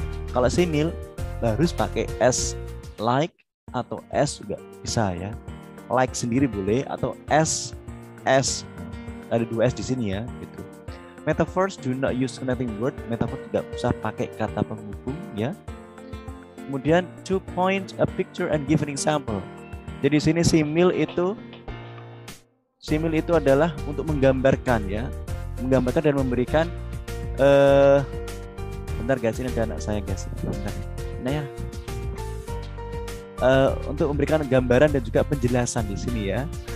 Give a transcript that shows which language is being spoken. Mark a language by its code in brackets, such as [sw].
[id] Kalau simil harus pakai as like atau as juga bisa ya. Like sendiri boleh atau as ada dua as di sini ya gitu. [en] Metaphors do not use connecting word. [id] Metaphor tidak usah pakai kata penghubung ya. [en] Kemudian to point a picture and give an example. [id] Jadi sini simil itu adalah untuk menggambarkan ya, menggambarkan dan memberikan. Bentar guys, ini ada anak saya guys. Bentar. Nah ya, untuk memberikan gambaran dan juga penjelasan di sini ya.